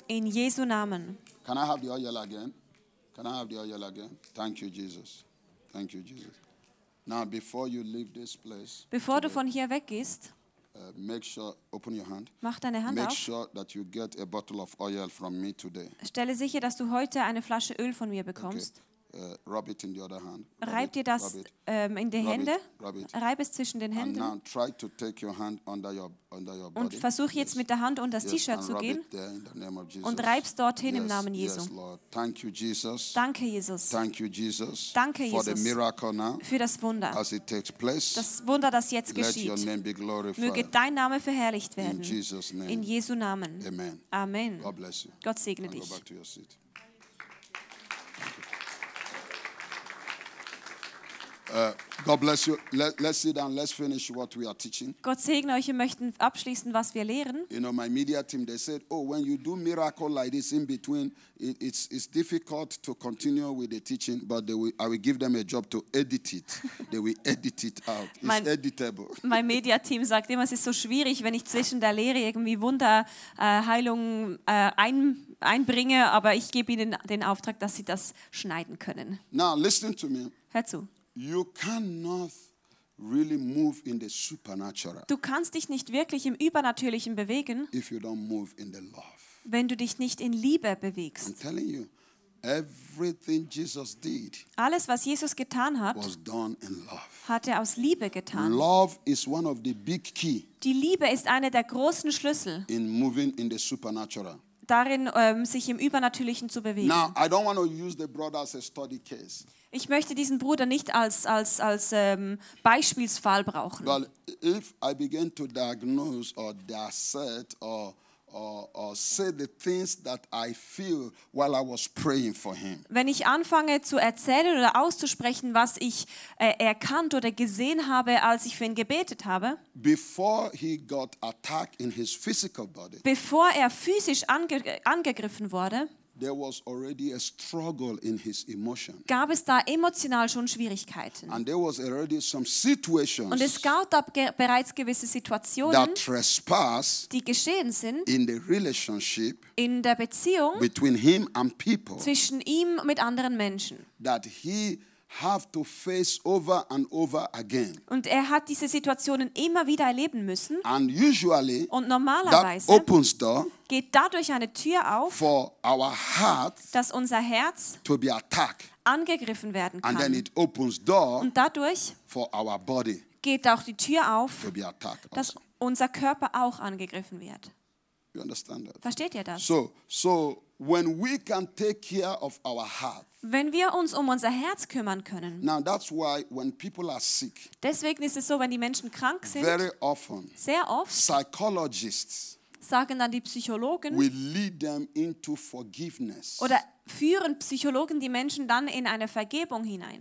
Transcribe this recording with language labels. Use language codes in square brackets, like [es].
[de] In Jesu Namen. [en] Can I have the oil again? Can I have the oil again? Thank you, Jesus. Thank you, Jesus. Now, before you leave this place, [de] bevor du von hier weggehst, [en] make sure open your hand. [de] Mach deine Hand [en] make [de] auf. [en] Make sure that you get a bottle of oil from me today. [de] Stelle sicher, dass du heute eine Flasche Öl von mir bekommst. [en] Okay. rub it in the other hand. [de] Reib dir das in die Hände. Reib es zwischen den Händen. [en] And now try to take your hand under your body. [de] Und versuch jetzt mit der Hand unter das T-Shirt zu gehen. Und reib es dorthin im Namen Jesu. [en] Yes, Lord. Thank you, Jesus. [de] Danke, Jesus. [en] Thank you, Jesus. [de] Danke, Jesus. [en] For the miracle now. [de] Für das Wunder. [en] As it takes place. [de] Das Wunder, das jetzt geschieht. [en] Let your name be glorified. [de] Möge dein Name verherrlicht werden. [en] In Jesus' name. [de] In Jesu Namen. [en] Amen. Amen. God bless you. [de] Gott segne dich. [en] Go back to your seat. God bless you. Let's sit down. Let's finish what we are teaching. [de] Gott segne euch. Wir möchten abschließen, was wir lehren. [en] You know, my media team, they said, oh, when you do miracle like this in between, it's difficult to continue with the teaching, but I will give them a job to edit it. They will edit it out. It's editable. My media team [de] sagt immer, es ist so schwierig, wenn ich zwischen der Lehre irgendwie Wunder, Heilung einbringe, aber ich gebe ihnen den Auftrag, dass sie das schneiden können. [en] Now, listen to me. [de] Hör zu. [en] You cannot really move in the supernatural. [de] Du kannst dich nicht wirklich im Übernatürlichen bewegen. [en] If you don't move in the love. [de] Wenn du dich nicht in Liebe bewegst. [en] I'm telling you, everything Jesus did. [de] Alles, was Jesus getan hat, [en] was done in love. [de] Hat er aus Liebe getan. [en] Love is one of the big key. [de] Die Liebe ist einer der großen Schlüssel. [en] In moving in the supernatural. [de] Darin, sich im Übernatürlichen zu bewegen. [en] Now, I don't want to use the brother as a study case. [de] Ich möchte diesen Bruder nicht als Beispielsfall brauchen. [en] Well, if I begin to diagnose or dissect or say the things that I feel while I was praying for him. [de] Wenn ich anfange zu erzählen oder auszusprechen, was ich erkannt oder gesehen habe, als ich für ihn gebetet habe. [en] Before he got attacked in his physical body. [de] Bevor er physisch angegriffen wurde. [en] There was already a struggle in his emotion. [de] Gab es da emotional schon Schwierigkeiten? [en] And there was already some situations. [de] Und es gab bereits gewisse Situationen. [en] That trespass. [de] Die geschehen sind. [en] In the relationship. [de] In der Beziehung. [en] Between him and people. [de] Zwischen ihm mit anderen Menschen. [en] That he have to face over and over again. [de] Und er hat diese Situationen immer wieder erleben müssen. [en] And usually. [de] Und normalerweise. [en] That opens door. [de] Geht dadurch eine Tür auf, [en] for our heart, [de] dass unser Herz [en] to be attacked, [de] angegriffen werden kann. [en] And then it opens door, [de] und dadurch [en] for our body, [de] geht auch die Tür auf, [en] to be attacked, [de] dass also unser Körper auch angegriffen wird. [en] You understand that? [de] Versteht ihr das? [en] So when we can take care of our heart, [de] wenn wir uns um unser Herz kümmern können, [en] now that's why when people are sick, [de] deswegen ist es so, wenn die Menschen krank sind, [en] very often, [de] sehr oft, [en] Psychologists, [de] sagen dann die Psychologen, [en] we lead them into forgiveness. [de] Oder führen Psychologen die Menschen dann in eine Vergebung hinein.